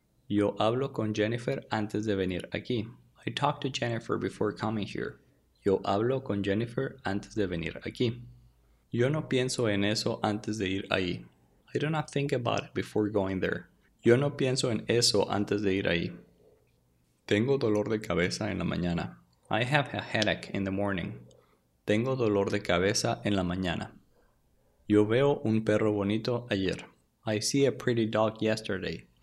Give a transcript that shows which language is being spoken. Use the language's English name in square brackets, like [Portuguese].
[Spanish] Yo hablo con Jennifer antes de venir aquí. [English] I talk to Jennifer before coming here. [Spanish] Yo hablo con Jennifer antes de venir aquí. Yo no pienso en eso antes de ir ahí. [English] I do not think about it before going there. [Spanish] Yo no pienso en eso antes de ir ahí. Tengo dolor de cabeza en la mañana. [English] I have a headache in the morning. [Spanish] Tengo dolor de cabeza en la mañana. Yo veo un perro bonito ayer. [English] I see a pretty dog yesterday.